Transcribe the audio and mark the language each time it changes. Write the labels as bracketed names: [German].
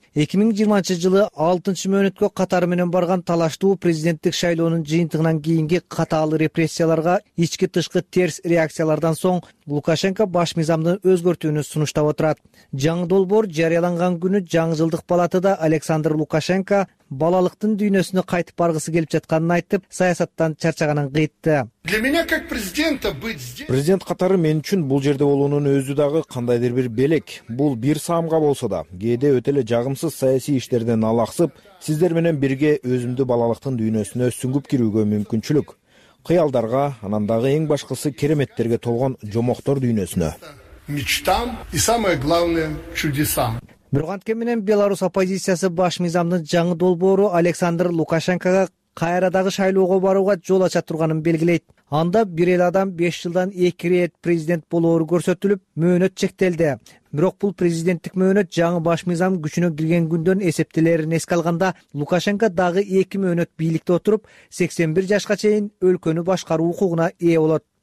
[Kyrgyz] 2020 жылы 6-чы мөөнөткө катары менен барган талаштуу президенттик шайлоонун жыйынтыгынан кийинки катаал репрессияларга, ички тышкы терс реакциялардан соң Лукашенко баш мыйзамдын өзгөртүүнү сунуштап отурат. Жаңы долбоор жарыяланган күнү жаңы жылдык палатада Александр Лукашенко балалыктын дүйнөсүнө кайтып баргысы келип жатканын айтып, саясаттан чарчаганын кыйтты. [Russian] Для меня как президента быть здесь? [Kyrgyz] Президент катары мен үчүн бул жерде болуунун өзү дагы кандайдыр бир белек. Бул бир саамга болсо да, кээде өтө эле жагымсыз саясий иштерден алаксып, сиздер менен бирге өзүмдү балалыктын дүйнөсүнө сүңгүп кирүүгө мүмкүнчүлүк. Кыялдарга, анан дагы эң башкысы кереметтерге толгон жомоктор дүйнөсүнө. [Russian] Мечтам и самое главное чудесам. [Kyrgyz] Бурганке менен Беларусь оппозициясы баш мыйзамдын жаңы долбоору Александр Лукашенкага кайра дагы шайлоого барууга жол ача турганын белгилейт. Анда бир эле адам 5 жылдан 2 ирет президент болоору көрсөтүлүп, мөөнөт чектелди. Бирок бул президенттик мөөнөт жаңы баш мыйзам күчүнө кирген күндөн эсептелерин эске алганда, Лукашенко дагы 2 мөөнөт бийликте отуруп, 81 жашка чейин өлкөнү башкаруу укугуна ээ болот.